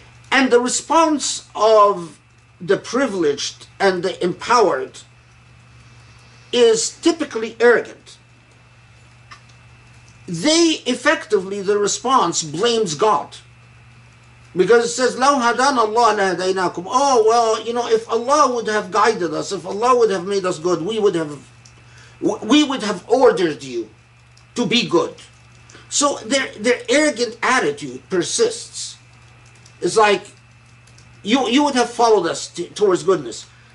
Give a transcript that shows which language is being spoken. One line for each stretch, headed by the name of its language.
English: And the response of the privileged and the empowered is typically arrogant. They effectively, the response blames God. Because it says,
Arabic: لَوْ هَدَانَ اللَّهَ لَهَدَيْنَاكُمْ.
English: Oh, well, you know, if Allah would have guided us, if Allah would have made us good, we would have ordered you to be good. So their arrogant attitude persists. It's like, you would have followed us towards goodness.